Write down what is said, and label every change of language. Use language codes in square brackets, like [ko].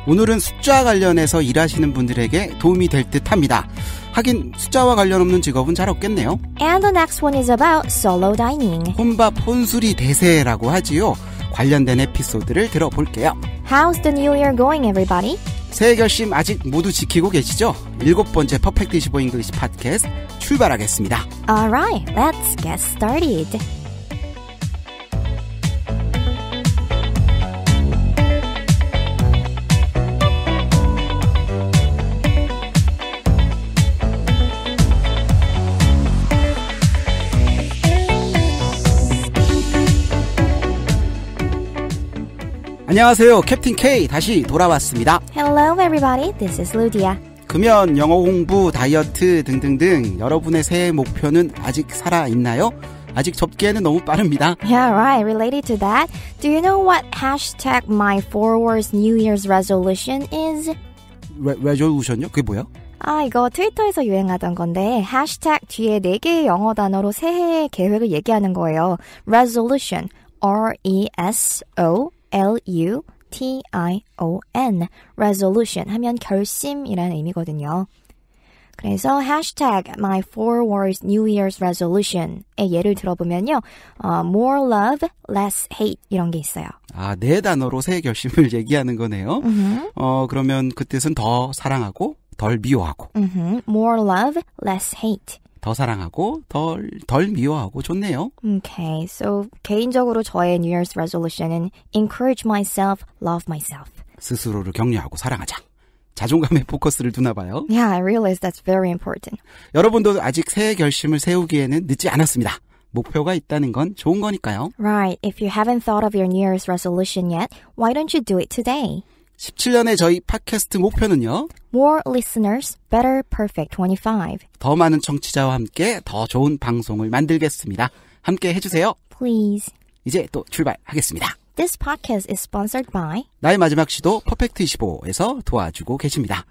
[ko] 오늘은 숫자 관련해서 일하시는 분들에게 도움이 될 듯합니다. 하긴 숫자와 관련 없는 직업은 잘 없겠네요. [en] And the next one is about solo dining. [ko] 혼밥 혼술이 대세라고 하지요. 관련된 에피소드를 들어볼게요. [en] How's the new year going, everybody? [ko] 새해 결심 아직 모두 지키고 계시죠? 일곱 번째 퍼펙트 25 English 팟캐스트 출발하겠습니다. [en] Alright, let's get started. [ko] 안녕하세요. 캡틴 K 다시 돌아왔습니다. [en] Hello everybody. This is Ludia. [ko] 금연, 영어 공부, 다이어트 등등등 여러분의 새해 목표는 아직 살아 있나요? 아직 접기에는 너무 빠릅니다. [en] Yeah, right. Related to that, do you know what hashtag my forward's New Year's resolution is? [ko] Resolution요? 그게 뭐야? 아, 이거 트위터에서 유행하던 건데 hashtag 뒤에 네 개의 영어 단어로 새해의 계획을 얘기하는 거예요. Resolution. R-E-S-O-L-U-T-I-O-N Resolution 하면 결심이라는 의미거든요. 그래서 [en] hashtag my four words New Year's resolution [ko] 의 예를 들어보면요. [en] More love, less hate [ko] 이런 게 있어요. 아, 네 단어로 새해 결심을 얘기하는 거네요. Mm-hmm. 그러면 그 뜻은 더 사랑하고 덜 미워하고. [en] Mm-hmm. More love, less hate. [ko] 더 사랑하고 덜 미워하고 좋네요. [en] Okay, so [ko] 개인적으로 저의 [en] New Year's resolution은 encourage myself, love myself. [ko] 스스로를 격려하고 사랑하자. 자존감에 포커스를 두나 봐요. [en] Yeah, I realize that's very important. [ko] 여러분도 아직 새해 결심을 세우기에는 늦지 않았습니다. 목표가 있다는 건 좋은 거니까요. [en] Right, if you haven't thought of your New Year's resolution yet, why don't you do it today? [ko] 17년의 저희 팟캐스트 목표는요. [en] More listeners, better perfect 25. [ko] 더 많은 청취자와 함께 더 좋은 방송을 만들겠습니다. 함께 해주세요. [en] Please. [ko] 이제 또 출발하겠습니다. [en] This podcast is sponsored by [ko] 나의 마지막 시도 퍼펙트 25에서 도와주고 계십니다.